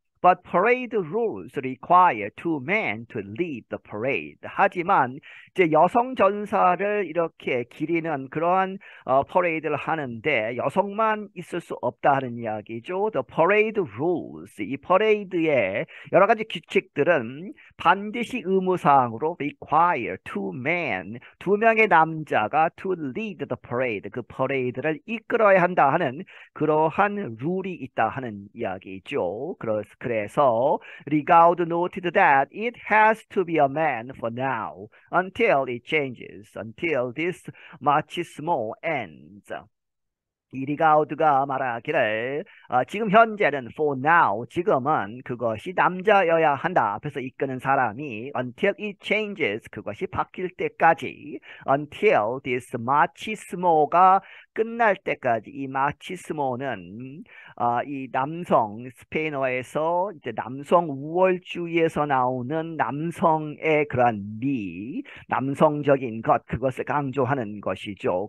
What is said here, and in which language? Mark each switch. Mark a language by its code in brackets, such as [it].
[en] But parade rules require two men to lead the parade. [ko] 하지만 이제 여성 전사를 이렇게 기리는 그러한 퍼레이드를 하는데 여성만 있을 수 없다는 이야기죠. [en] The parade rules. [ko] 이 퍼레이드의 여러 가지 규칙들은 반드시 의무사항으로 [en] require two men, [ko] 두 명의 남자가 [en] to lead the parade, [ko] 그 퍼레이드를 이끌어야 한다 하는 그러한 룰이 있다 하는 이야기죠. 그래서 [en] Rigaud noted that it has to be a man for now until it changes, until this machismo ends. [ko] 이 리가우드가 말하기를 지금 현재는 [en] for now, [ko] 지금은 그것이 남자여야 한다. 앞에서 이끄는 사람이 [en] until it changes, [ko] 그것이 바뀔 때까지 [en] until this machismo [ko] 가 끝날 때까지 이 마치스모는 이 남성 스페인어에서 이제 남성 우월주의에서 나오는 남성의 그러한 미 남성적인 것 그것을 강조하는 것이죠.